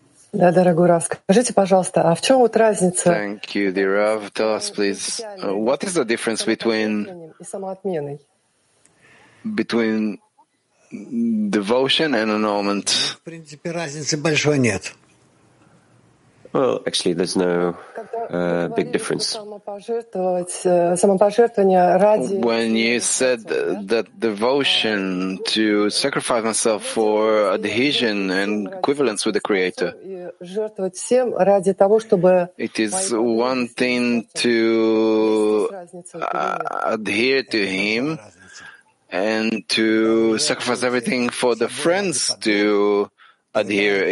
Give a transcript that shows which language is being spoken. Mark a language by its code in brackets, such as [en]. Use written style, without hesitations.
[ru] Да, дорогой Рав, скажите, пожалуйста, а в чем вот разница? [en] Thank you, dear Rav. Tell us, please, what is the difference between devotion and annulment? [ru] В принципе, разницы большой нет. [en] Well, actually, there's no big difference. When you said that devotion to sacrifice myself for adhesion and equivalence with the Creator, it is one thing to adhere to Him and to sacrifice everything for the friends to adhere.